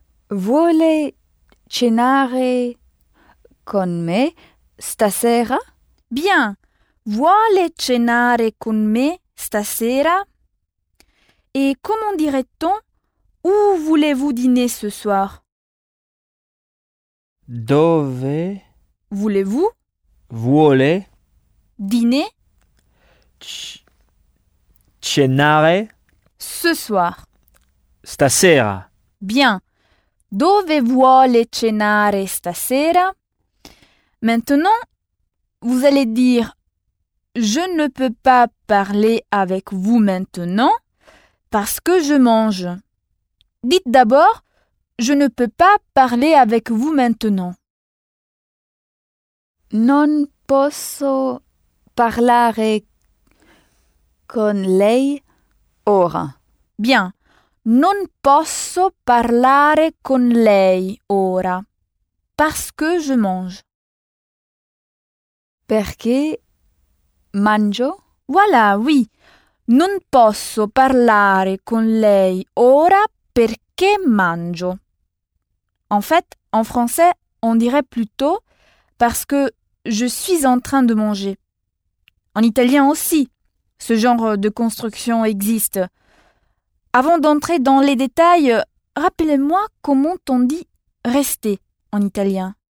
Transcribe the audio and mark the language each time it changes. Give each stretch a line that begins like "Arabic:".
Italian: Vuole cenare con me stasera?
French: Bien.
Italian: Vuole cenare con me stasera?
French: Et comment dirait-on où voulez-vous dîner ce soir?
Italian: Dove
French: voulez-vous?
Italian: Vuole
French: dîner?
Italian: Cenare
French: ce soir.
Italian: Stasera.
French: Bien.
Italian: Dove vuole cenare stasera?
French: Maintenant, vous allez dire je ne peux pas parler avec vous maintenant parce que je mange. Dites d'abord, je ne peux pas parler avec vous maintenant.
Italian: Non posso parlare con lei ora.
French: Bien.
Italian: Non posso parlare con lei ora.
French: Parce que je mange.
Italian: Perché mangio?
French: Voilà, oui.
Italian: Non posso parlare con lei ora. Perché mangio?
French: En fait, en français, on dirait plutôt parce que je suis en train de manger. En italien aussi, ce genre de construction existe. Avant d'entrer dans les détails, rappelez-moi comment on dit rester en italien.